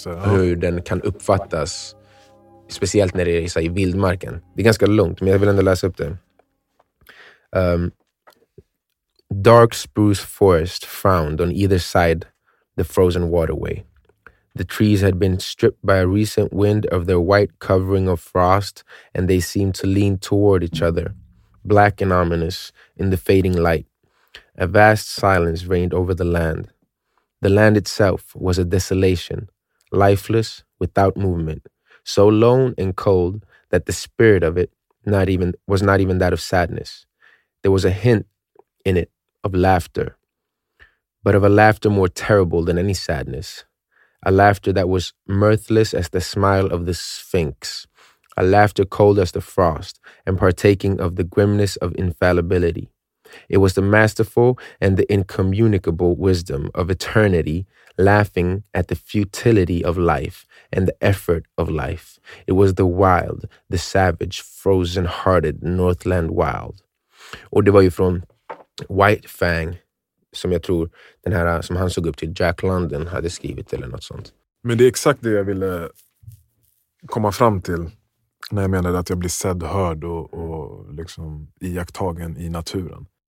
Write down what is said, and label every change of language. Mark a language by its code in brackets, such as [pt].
[sv] Hur den kan uppfattas, speciellt när det är så här, i vildmarken. Det är ganska långt, men jag vill ändå läsa upp det. [en] Dark spruce forest frowned on either side the frozen waterway. The trees had been stripped by a recent wind of their white covering of frost, and they seemed to lean toward each other, black and ominous, in the fading light. A vast silence reigned over the land. The land itself was a desolation, lifeless, without movement, so lone and cold that the spirit of it was not even that of sadness. There was a hint in it of laughter, but of a laughter more terrible than any sadness. A laughter that was mirthless as the smile of the Sphinx. A laughter cold as the frost and partaking of the grimness of infallibility. It was the masterful and the incommunicable wisdom of eternity laughing at the futility of life and the effort of life. It was the wild, the savage, frozen-hearted Northland wild. [sv] Och det var ju från White Fang, som jag tror den här som han såg upp till, Jack London, hade skrivit eller något sånt. Men det är exakt det jag ville komma fram till när jag menade att jag blir sedd, hörd och liksom iakttagen i naturen.